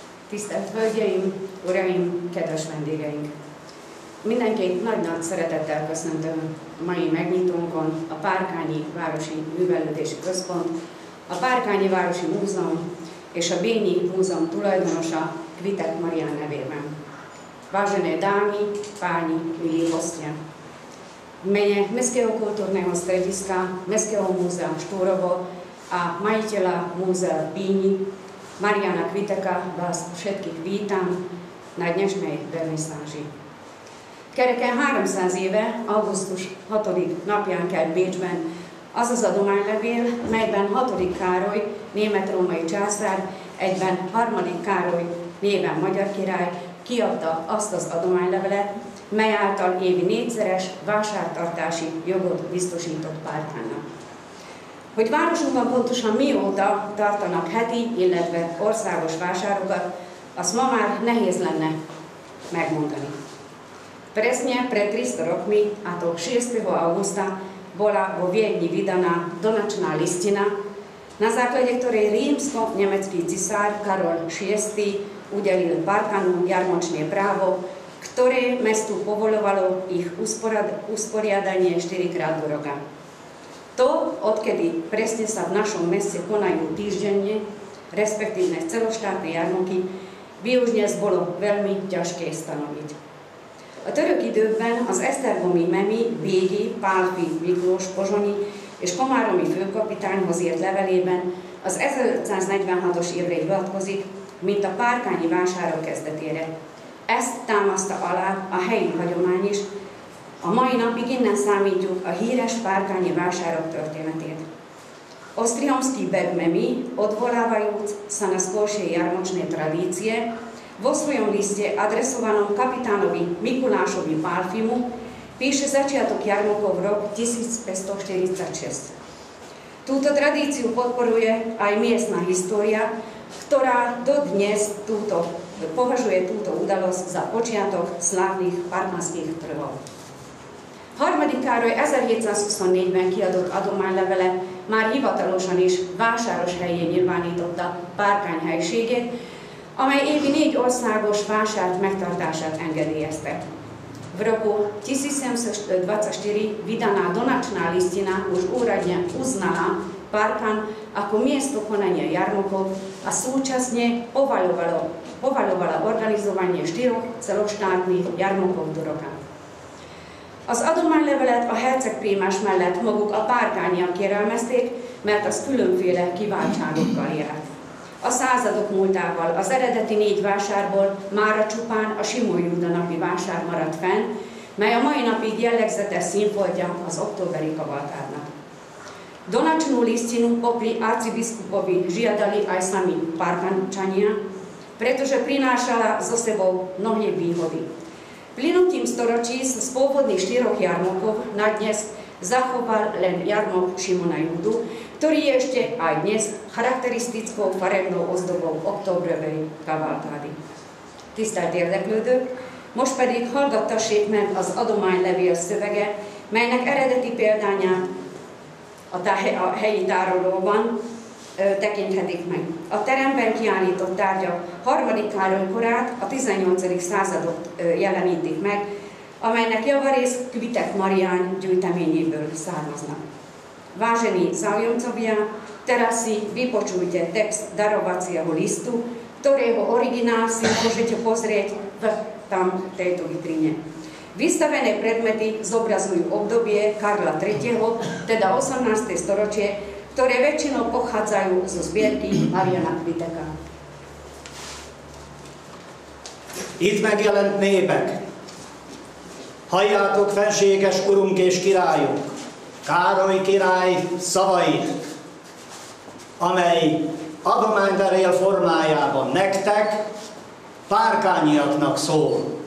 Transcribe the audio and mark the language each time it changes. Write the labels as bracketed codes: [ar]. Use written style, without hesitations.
[hu] Tisztelt Hölgyeim, Uraim, kedves vendégeink! Mindenkit nagy-nagy szeretettel köszöntöm a mai megnyitónkon a Párkányi Városi Művelődési Központ, a Párkányi Városi Múzeum és a Bényi Múzeum tulajdonosa Kvitek Marián nevében. [sk] Vážené dámy, páni, milí hostia! V mene Mestského kultúrneho strediska, Mestského múzea Štúrovo a majiteľa múzea Bíni, Mariana Kviteka, vás všetkých vítam na dnešnej vernisáži. [hu] Kereken 300 éve, augusztus 6. napján kelt Bécsben az az adománylevél, melyben 6. Károly, német-római császár, egyben 3. Károly, néven magyar király, kiadta azt az adománylevelet, mely által évi négyszeres vásártartási jogot biztosított Párkánynak. Hogy városunkban pontosan mióta tartanak heti, illetve országos vásárokat, azt ma már nehéz lenne megmondani. [sk] Presne pred 300 rokmi, a to 6. augusta, bola vo Viedni vydaná donačná listina, na základe ktorej rímsko-nemecký cisár Karol VI udelil Párkánu jarmočné právo, ktoré mestu povoľovalo ich usporiadanie 4-krát do roka. To, odkedy presne sa v našom meste konajú týždenne, respektívne celoštátne jarmoky, by už dnes bolo veľmi ťažké stanoviť. [hu] A török időben az esztergomi memi, Bégi, Pálfi, Miklós, pozsonyi és komáromi főkapitányhoz írt levelében az 1546-os évre hivatkozik, mint a Párkányi vásárok kezdetére. Ezt támaszta alá a helyi hagyomány is, a mai napig innen számítjuk a híres Párkányi vásárok történetét. [sk] Osztriomszki begmemi, odvolávajúc sa na skôršie jarmočné tradície, vo svojom liste adresovanom kapitánovi Mikulášovi Pálfimu píše začiatok jarmokov rok 1546. Túto tradíciu podporuje aj miestna história, ktorá dodnes považuje túto udalosť za počiatok slávnych parmanských trhov. [hu] 3. Károly 1724-ben kiadott adománylevele már hivatalosan is vásáros helyén nyilvánította Párkány helységét, amely évi 4 országos vásárt megtartását engedélyezte. [sk] V roku 1724 vydaná donačná listina už úradne uznala Párkán ako miesto konania jarmokov a súčasne povaľovala organizovanie 4 celoštátnych jarmokov do roka. [hu] Az adománylevelet a hercegprímás mellett maguk a párkányiak kérelmezték, mert az különféle kiváltságokkal járt. A századok múltával az eredeti 4 vásárból mára csupán a Simon Júda napi vásár maradt fenn, mely a mai napig jellegzetes színfoltja az októberi kavalkádnak. [sk] Donačnú listinu popri arcibiskupovi žiadali aj sami párkáncsania, pretože prinášala zo sebou mnohé výhody. Plynutím storočí sa z pôvodných 4 jarmokov na dnes zachoval len jarmok Šimona Júdu, ktorý je ešte aj dnes charakteristickou farebnou ozdobou októbrevej kavalkády. [hu] Tisztelt érdeklődők, most pedig hallgattassék meg az adománylevél szövege, melynek eredeti példányát a helyi tárolóban tekinthetik meg. A teremben kiállított tárgyak 3. Károly korát, a 18. századot jelenítik meg, amelynek javarész Kvitek Marián gyűjteményéből származnak. [sk] Vážení zájomcovia, teraz si vypočujte text darovacieho listu, ktorého originál si môžete pozrieť v tam tejto vitrine. Vystavené predmety zobrazujú obdobie Karla III., teda 18. storočie, ktoré väčšinou pochádzajú zo zbierky Mariana Kviteka. [hu] Itt megjelent népek, halljátok, fenséges urunk és királyunk, Károly király szavait, amely adománylevél formájában nektek, párkányiaknak szól.